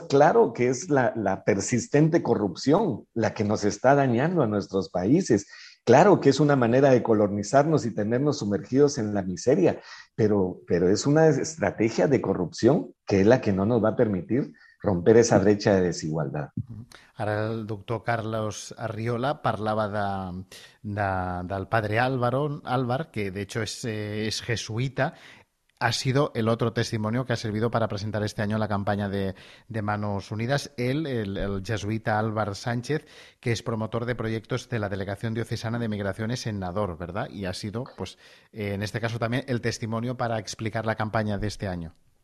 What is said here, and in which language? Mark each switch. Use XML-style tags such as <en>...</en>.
<es>Claro que es la persistente corrupción la que nos está dañando a nuestros países. Claro que es una manera de colonizarnos y tenernos sumergidos en la miseria, pero es una estrategia de corrupción que es la que no nos va a permitir romper esa brecha de desigualdad.</es> <ca>Ara el doctor Carlos Arriola parlava del padre Álvar,</ca> <es>que de hecho</es> <ca>és jesuïta.</ca> <es>Ha sido el otro testimonio que ha servido para presentar este año la campaña de Manos Unidas. Él, el jesuita Álvar Sánchez, que es promotor de proyectos de la Delegación Diocesana de Migraciones en Nador, ¿verdad? Y ha sido, pues, en este caso también el testimonio para explicar la campaña de este año.</es>